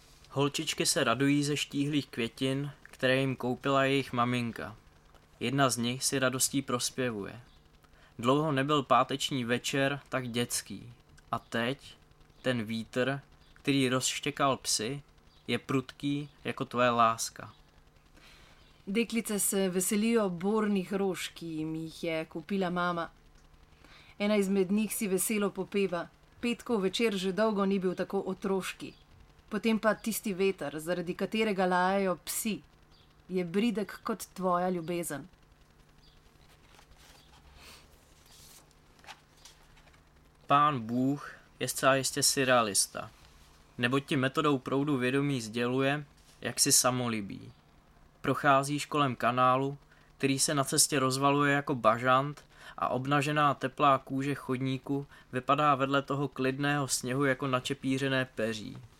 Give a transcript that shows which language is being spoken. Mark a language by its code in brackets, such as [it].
[cs] Holčičky se radují ze štíhlých květin, které jim koupila jejich maminka. Jedna z nich si radostí prospěvuje. Dlouho nebyl páteční večer tak dětský. A teď ten vítr, který rozštěkal psy, je prudký jako tvoje láska. [sl] Deklice se veselijo bornih rož, ki jim jih je kupila mama. Ena izmed njih si veselo popeva. Petkov večer že dolgo ni bil tako otroški. Potem pa tisti veter, zaradi katerega lajajo psi. Je bridek kot tvoja ljubezen. [cs] Pán Bůh je zcela jistě surrealista. Neboť ti metodou proudu vědomí sděluje, jak si samolibý. Procházíš kolem kanálu, který se na cestě rozvaluje jako bažant a obnažená teplá kůže chodníku vypadá vedle toho klidného sněhu jako načepířené peří.